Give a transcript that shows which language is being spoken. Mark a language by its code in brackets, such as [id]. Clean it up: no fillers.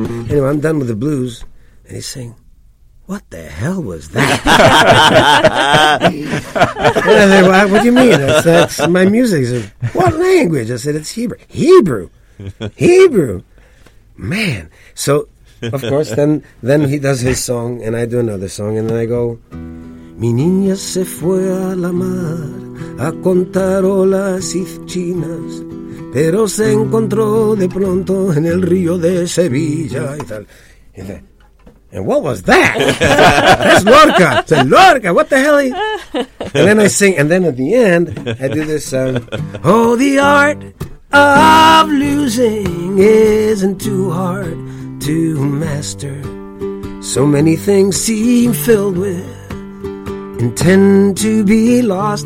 [en] Anyway, I'm done with the blues. And he's saying, what the hell was that? And I said, what do you mean? That's my music. He said, what language? I said, it's Hebrew. Hebrew. Hebrew, man. So, of course, then he does his song, and I do another song, and then I go. [es] Mi niña se fue a la mar a contar olas y chinas, pero se encontró de pronto en el río de Sevilla y tal. [en] And what was that? That's Lorca. I said, Lorca, what the hell? And then I sing, and then at the end I do this song. Oh, the art of losing isn't too hard to master. So many things seem filled with intend to be lost.